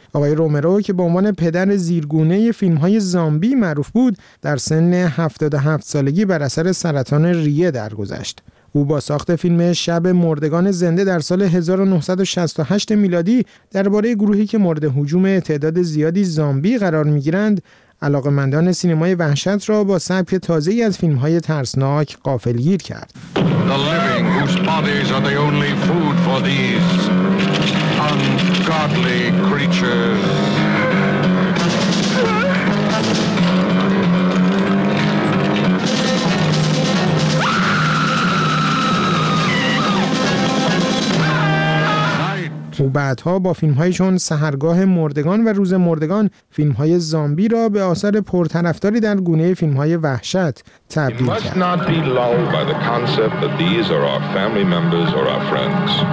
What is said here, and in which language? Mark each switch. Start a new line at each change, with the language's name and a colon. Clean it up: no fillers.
Persian: آقای رومرو که به عنوان پدر زیرگونه فیلم‌های زامبی معروف بود، در سن 77 سالگی بر اثر سرطان ریه درگذشت. او با ساخت فیلم شب مردگان زنده در سال 1968 میلادی درباره گروهی که مورد هجوم تعداد زیادی زامبی قرار می‌گیرند، علاقمندان سینمای وحشت را با سبک تازه‌ای از فیلم‌های ترسناک غافلگیر کرد.
English: The living whose bodies are the only food for these ungodly creatures.
Persian: او بعدها با فیلم‌های چون سحرگاه مردگان و روز مردگان فیلم‌های زامبی را به آثار پرطرفداری در گونه فیلم‌های وحشت تبدیل کرد.
English: You must not be lulled by the concept that these are our family members or our friends.